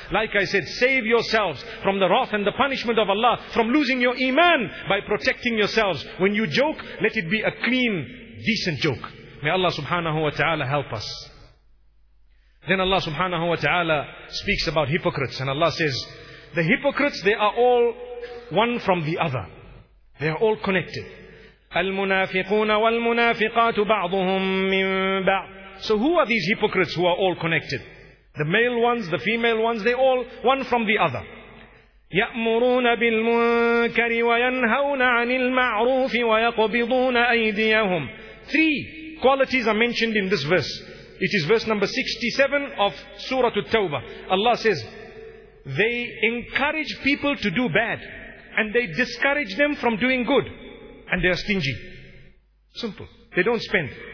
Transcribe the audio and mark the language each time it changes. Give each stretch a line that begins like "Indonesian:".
English: Like I said, save yourselves from the wrath and the punishment of Allah from losing your iman by protecting yourselves. When you joke, let it be a clean, decent joke. May Allah subhanahu wa ta'ala help us. Then Allah subhanahu wa ta'ala speaks about hypocrites, and Allah says, the hypocrites, they are all one from the other. They are all connected.
Arabic: المنافقون والمنافقات بعضهم من بعض.
English: So who are these hypocrites who are all connected? The male ones, the female ones, they all one from the other.
Arabic: يأمرون بالمنكر وينهون عن المعروف ويقبضون أيديهم.
English: Three qualities are mentioned in this verse. It is verse number 67 of Surah At-Tawbah. Allah says, they encourage people to do bad and they discourage them from doing good. And they are stingy. Simple. They don't spend.